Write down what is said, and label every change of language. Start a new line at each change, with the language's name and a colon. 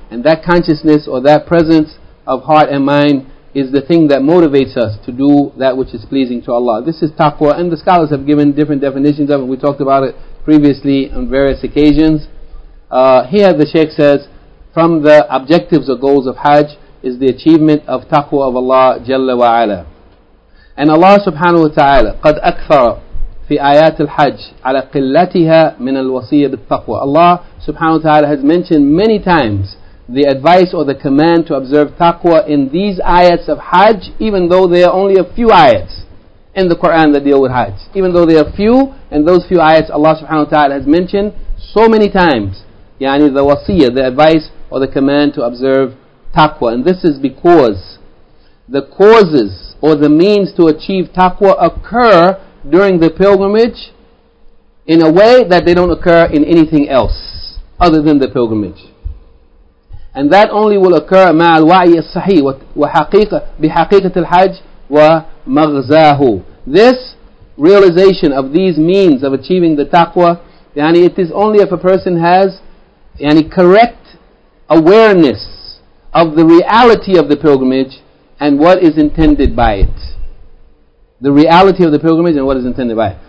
English: And that consciousness or that presence of heart and mind is the thing that motivates us to do that which is pleasing to Allah. This is taqwa, and the scholars have given different definitions of it. We talked about it previously on various occasions. Here the Shaykh says, from the objectives or goals of Hajj is the achievement of taqwa of Allah Jalla wa Ala. And Allah subhanahu wa ta'ala,
Arabic: قَدْ أَكْثَرَ في آيات الحج على قلتها من الوصية بالتقوى.
English: Allah subhanahu wa ta'ala has mentioned many times the advice or the command to observe taqwa in these ayats of Hajj, even though there are only a few ayats in the Quran that deal with Hajj. Even though there are few, and those few ayats Allah subhanahu wa ta'ala has mentioned so many times, yani the wasiyah, the advice or the command to observe taqwa. And this is because the causes or the means to achieve taqwa occur during the pilgrimage in a way that they don't occur in anything else other than the pilgrimage. And that only will occur
Arabic: مع الوعي الصحيح وحقيقة بحقيقة الحج ومغزاه.
English: This realization of these means of achieving the taqwa, yani it is only if a person has yani correct awareness of the reality of the pilgrimage and what is intended by it. The reality of the pilgrimage and what is intended by it.